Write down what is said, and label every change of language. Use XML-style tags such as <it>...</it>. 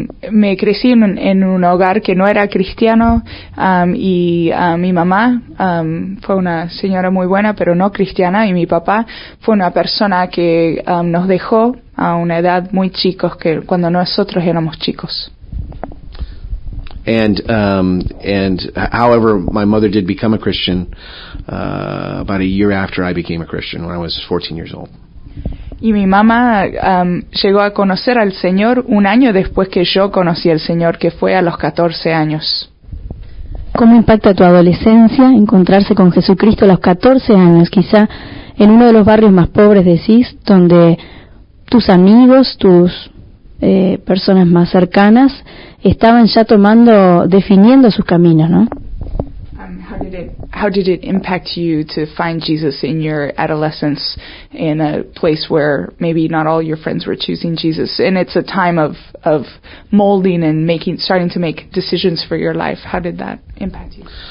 <es>Me crecí en un hogar que no era cristiano, y mi mamá fue una señora muy buena, pero no cristiana, y mi papá fue una persona que nos dejó a una edad muy chicos, que cuando nosotros éramos chicos.</es> <en>And however, my mother did become a Christian about a year after I became a Christian, when I was 14 years old.</en> <es>Y mi mamá llegó a conocer al Señor un año después que yo conocí al Señor, que fue a los 14 años. ¿Cómo impacta tu adolescencia encontrarse con Jesucristo a los 14 años, quizá en uno de los barrios más pobres de CIS, donde tus amigos, tus personas más cercanas estaban ya tomando, definiendo sus caminos, ¿no?</es> <en>How did it impact you to find Jesus in your adolescence in a place where maybe not all your friends were choosing Jesus? And it's a time of molding and starting to make decisions for your life. How did that impact you?</en>